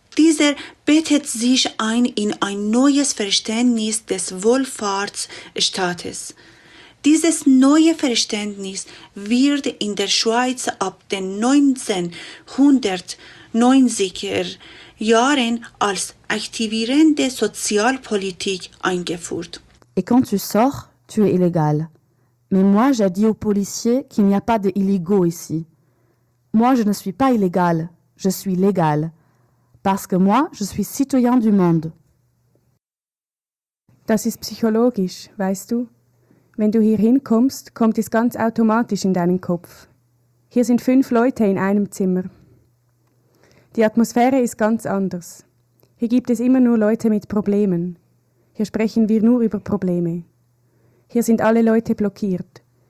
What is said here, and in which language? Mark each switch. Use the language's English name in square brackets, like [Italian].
[German] Dieser bettet sich ein in ein neues Verständnis des Wohlfahrtsstaates. Dieses neue Verständnis wird in der Schweiz ab den 1990er Jahren als aktivierende Sozialpolitik eingeführt. [French] Et quand tu sors, tu es illégal. Mais moi, j'ai dit aux policiers qu'il n'y a pas d'illégaux ici. Moi, je ne suis pas illégal, je suis légal. Parce que moi, je suis citoyen du monde. [German] Das ist psychologisch, weißt du? Wenn du hier hinkommst, kommt es ganz automatisch in deinen Kopf. Hier sind 5 Leute in einem Zimmer. Die Atmosphäre ist ganz anders. Hier gibt es immer nur Leute mit Problemen. Hier sprechen wir nur über Probleme. Hier sind alle Leute blockiert.